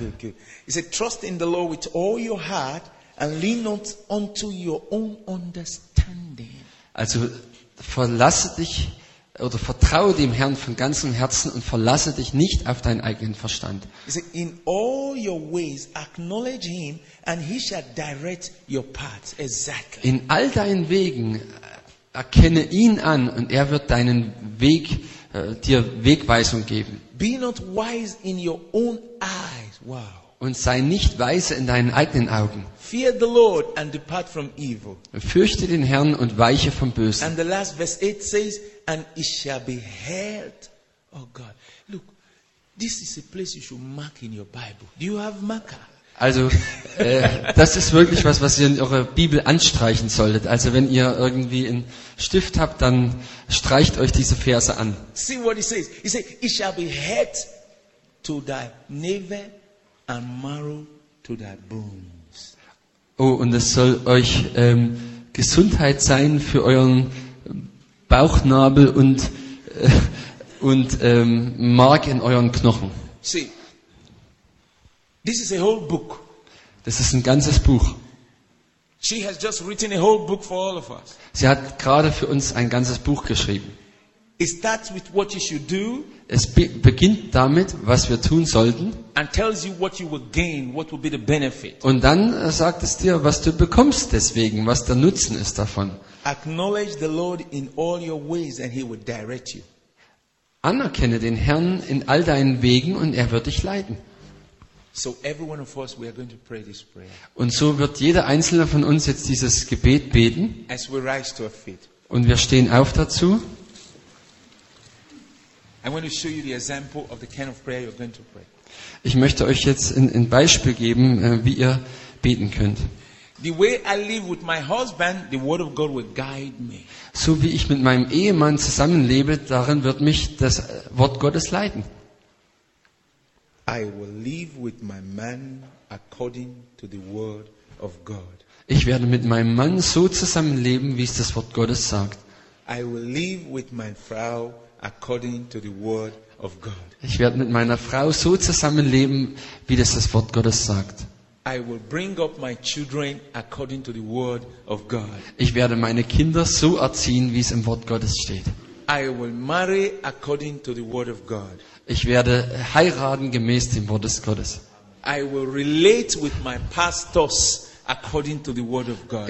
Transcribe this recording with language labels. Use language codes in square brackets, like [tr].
[en] He said, trust in the Lord with all your heart and lean not unto your own understanding. [de] Also, verlasse dich oder vertraue dem Herrn von ganzem Herzen und verlasse dich nicht auf deinen eigenen Verstand. [en] He said, in all your ways acknowledge him and he shall direct your paths. Exactly. [de] In all deinen Wegen Erkenne ihn an und er wird deinen Weg, dir Wegweisung geben. [en] Be not wise in your own eyes. Wow. [de] Und sei nicht weise in deinen eigenen Augen. [en] Fear the Lord and depart from evil. [de] Fürchte den Herrn und weiche vom Bösen. [en] And the last verse 8 says, and it shall be held. Oh God. Look, this is a place you should mark in your Bible. Do you have marker? [de] Also, das ist wirklich was, was ihr in eurer Bibel anstreichen solltet. Also, wenn ihr irgendwie einen Stift habt, dann streicht euch diese Verse an. [en] See what he says. He says, it shall be head to thy navel and marrow to thy bones. [de] Oh, und es soll euch Gesundheit sein für euren Bauchnabel und Mark in euren Knochen. [en] See. This is a whole book. [de] Das ist ein ganzes Buch. [en] She has just written a whole book for all of us. [de] Sie hat gerade für uns ein ganzes Buch geschrieben. [en] It starts with what you should do. [de] Es beginnt damit, was wir tun sollten. [en] And tells you what you will gain, what will be the benefit. [de] Und dann sagt es dir, was du bekommst deswegen, was der Nutzen ist davon. [en] Acknowledge the Lord in all your ways and he will direct you. [de] Anerkenne den Herrn in all deinen Wegen und er wird dich leiten. [en] So every one of us, we are going to pray this prayer. [de] Und so wird jeder einzelne von uns jetzt dieses Gebet beten. [en] As we rise to our feet. [de] Und wir stehen auf dazu. [en] I want to show you the example of the kind of prayer you're going to pray. [de] Ich möchte euch jetzt ein Beispiel geben, wie ihr beten könnt. [en] The way I live with my husband, the word of God will guide me. [de] So wie ich mit meinem Ehemann zusammenlebe, darin wird mich das Wort Gottes leiten. [en] I will live with my man according to the word of God. [de] Ich werde mit meinem Mann so zusammenleben, wie es das Wort Gottes sagt. [en] I will live with my Frau according to the word of God. [de] Ich werde mit meiner Frau so zusammenleben, wie das Wort Gottes sagt. [en] I will bring up my children according to the word of God. [de] Ich werde meine Kinder so erziehen, wie es im Wort Gottes steht. [en] I will marry according to the word of God. [de] Ich werde heiraten gemäß dem Wort des Gottes. [en] I will relate with my pastors according to the word of God.